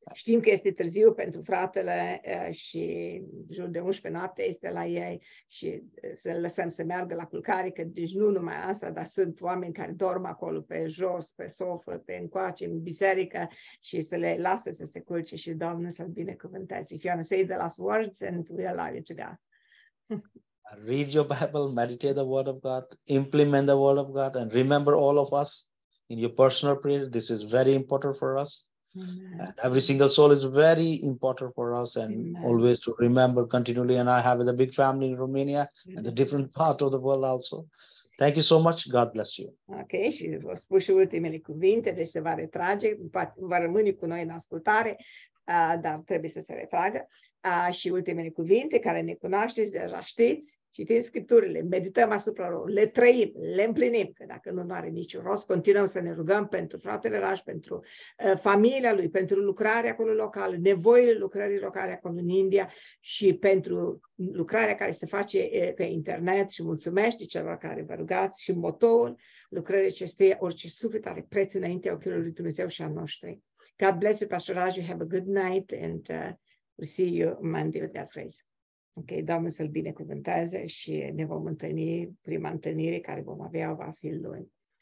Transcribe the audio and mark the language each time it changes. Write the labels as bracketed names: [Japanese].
[Romanian] Știm că este târziu pentru fratele și jur de 11 noapte este la ei și să-l lăsăm să meargă la culcare, că deci nu numai asta, dar sunt oameni care dorm acolo pe jos, pe sofă, pe încoace, în biserică și să le lasă să se culce și Doamne să-l binecuvânteze. [English] If you want to say the last words and we allow you to go. Read your Bible, meditate the Word of God, implement the Word of God and remember all of us in your personal prayer. This is very important for us. And every single soul is very important for us and Amen. Always to remember continually. And I have a big family in Romania Amen. And the different part of the world also. Thank you so much. God bless you. [Romanian] Okay, și vă spun și ultimele cuvinte, deci se va retrage, va rămâne cu noi în ascultare, dar trebuie să se retragă. Și ultimele cuvinte care ne cunoașteți, deja știți, citim scripturile, medităm asupra lor, le trăim, le împlinim, că dacă nu are niciun rost, continuăm să ne rugăm pentru fratele Raj, pentru familia lui, pentru lucrarea acolo locală, nevoile lucrării locale acolo în India și pentru lucrarea care se face pe internet și mulțumește celor care vă rugați și motoul lucrării acesteia, orice suflet are preț înaintea ochilor lui Dumnezeu și a noștri. [English] God bless you, Pastor Raj, you have a good night and we'll see you Monday with God's grace. [Romanian] Ok, Doamne să-l binecuvânteze și ne vom întâlni, prima întâlnire care vom avea va fi luni.